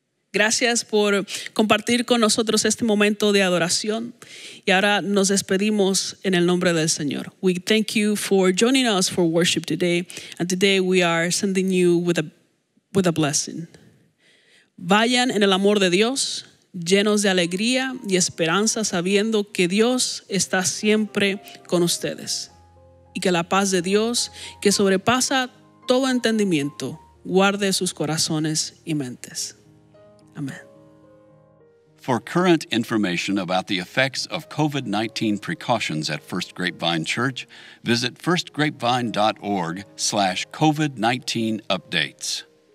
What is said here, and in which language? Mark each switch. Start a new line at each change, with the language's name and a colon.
Spanish: Gracias por compartir con nosotros este momento de adoración. Y ahora nos despedimos en el nombre del Señor.
English: We thank you for joining us for worship today. And today we are sending you with a blessing.
Spanish: Vayan en el amor de Dios, llenos de alegría y esperanza, sabiendo que Dios está siempre con ustedes. Y que la paz de Dios, que sobrepasa todo entendimiento, guarde sus corazones y mentes. Amén.
English: For current information about the effects of COVID-19 precautions at First Grapevine Church, visit firstgrapevine.org/COVID-19updates.